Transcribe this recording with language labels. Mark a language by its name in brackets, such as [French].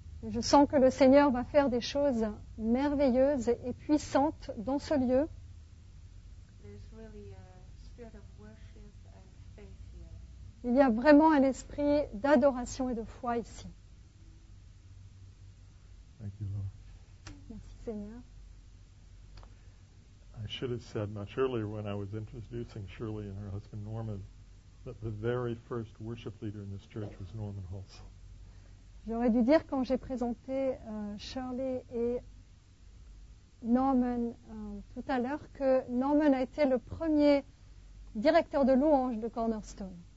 [French] Je sens que le Seigneur va faire des choses merveilleuses et puissantes dans ce lieu. [English] Really a spirit of worship and faith here. [French] Il y a vraiment un esprit d'adoration et de foi ici. [English] Thank you, Lord. [French] Merci, Seigneur. [English] I should have said much earlier when I was introducing Shirley and her husband Norman that the very first worship leader in this church was Norman Hulse. [French] J'aurais dû dire quand j'ai présenté Shirley et Norman tout à l'heure que Norman a été le premier directeur de louange de Cornerstone.